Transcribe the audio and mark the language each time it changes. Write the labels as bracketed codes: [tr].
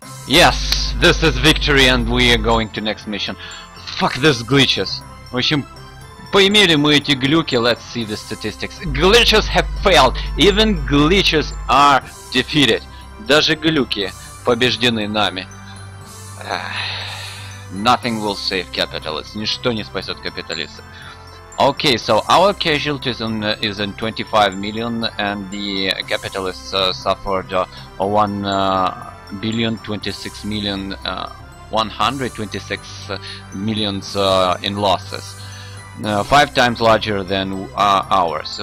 [en] Yes, this is victory and we are going to next mission. Fuck these glitches. [ru] В общем, поимели мы эти глюки. [en] Let's see the statistics. Glitches have failed. Even glitches are defeated. [ru] Даже глюки побеждены нами. [en] Nothing will save capitalists. [ru] Ничто не спасет капиталистов. [en] Okay, so our casualties is in 25 million, and the capitalists suffered 1,126,000 in losses, five times larger than ours.